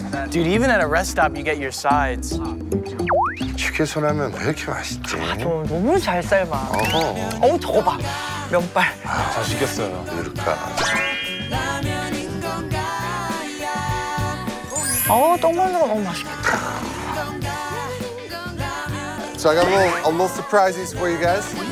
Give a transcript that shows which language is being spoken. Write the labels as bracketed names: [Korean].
[English] Dude, even at a rest stop, you get your sides. [Korean] 휴게소 라면 왜 이렇게 맛있지? 아, 좀 너무 잘 삶아. 어허. 어우, 저거 봐. 면발. 아, 잘 시켰어요. 왜 이럴까? 어우, 떡만두가 너무 맛있겠다. [English] So I got a little surprises for you guys.